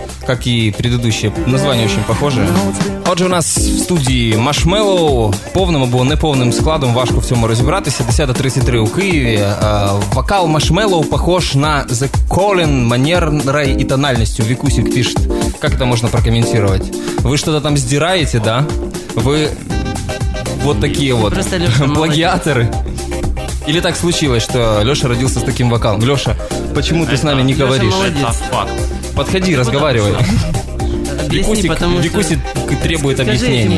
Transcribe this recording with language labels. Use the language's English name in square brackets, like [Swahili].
[Russian] Как и предыдущие, название очень похоже. [Ukrainian] Отже, у нас в студії Marshmallow, повним або неповним складом важко в цьому розібратися. 10:33 у Києві. Вокал Marshmallow похож на The Calling манерой і тональністю. Вікусик пишет. [Russian] Как это можно прокомментировать? Ви что-то там здираете, да? Ви вот такие вот плагіатори. Или так случилось, что Леша родился с таким вокалом? Леша, почему ты с нами не говоришь? Леша молодец. Подходи, разговаривай. Викусик требует объяснений.